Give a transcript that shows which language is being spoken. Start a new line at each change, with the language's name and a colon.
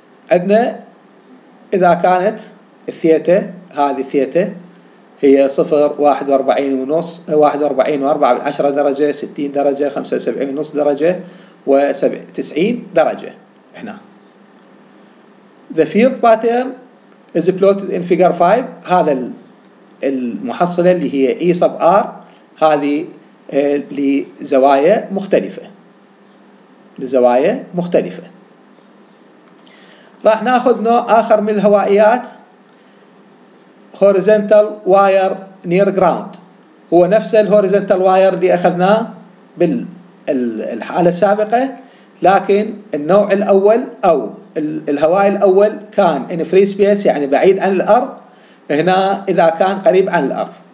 Arabic: عندنا إذا كانت الثيتا، هذه الثيتا هي 0.41 41.4 10 درجة، 60 درجة، 75.5 درجة و 90 درجة.
English: هنا the field pattern is plotted in figure 5.
Arabic: هذا المحصلة اللي هي E sub R، هذه لزوايا مختلفة، لزوايا مختلفة. راح ناخذ نوع آخر من الهوائيات،
English: horizontal wire near ground،
Arabic: هو نفس الهوريزونتال واير اللي أخذناه بالحالة السابقة، لكن النوع الأول أو الهواء الأول كان
English: in free space
Arabic: يعني بعيد عن الأرض، هنا إذا كان قريب عن الأرض.